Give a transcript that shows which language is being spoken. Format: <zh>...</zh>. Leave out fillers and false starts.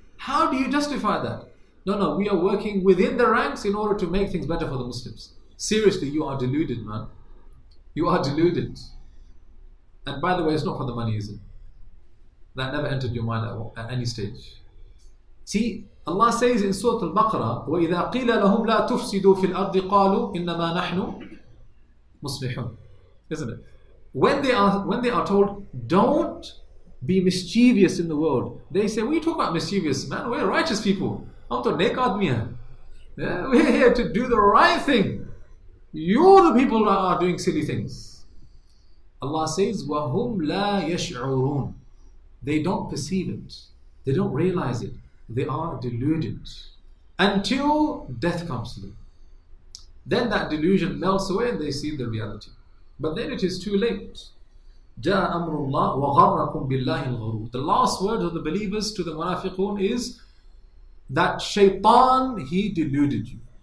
<en>How do you justify that? No, no, we are working within the ranks in order to make things better for the Muslims. Seriously, you are deluded, man. You are deluded. And by the way, it's not for the money, is it? That never entered your mind at any stage. See, Allah says in Surah Al-Baqarah,</en> <ar>وَإِذَا قِيلَ لَهُمْ لَا تُفْسِدُوا فِي الْأَرْضِ قَالُوا إِنَّمَا نَحْنُ مُصْلِحُونَ.</ar> <en>Isn't it? When they are told, don't be mischievous in the world, they say, what are you talking about mischievous? Man, we're righteous people. I'm to nek admiya. We're here to do the right thing. You're the people that are doing silly things. Allah says,</en> <ar>وَهُمْ لَا يَشْعُرُونَ.</ar> <en>They don't perceive it. They don't realize it. They are deluded. Until death comes to them. Then that delusion melts away and they see the reality. But then it is too late.</en> <ar>جَاءَ أَمْرُ اللَّهِ وَغَرَّكُمْ بِاللَّهِ الْغُرُورِ.</ar> <en>The last word of the believers to the munafiqun is that shaytan, he deluded you.</en>